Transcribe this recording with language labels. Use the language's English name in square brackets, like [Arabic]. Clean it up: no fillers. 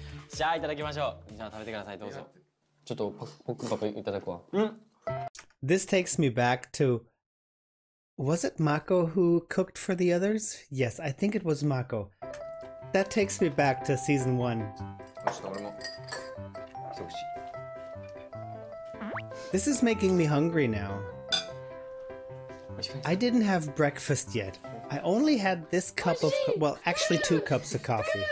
[Japanese] じゃあいただきましょう。みんな食べてください。どうぞ。ちょっと僕パクいただくわ。うん。 [English] This takes me back to... Was it Mako who cooked for the others? Yes, I think it was Mako. That takes me back to season 1. [Japanese] ちょっと俺も来てほしい。 [English] This is making me hungry now. I didn't have breakfast yet. I only had this cup of, well, actually two cups of coffee.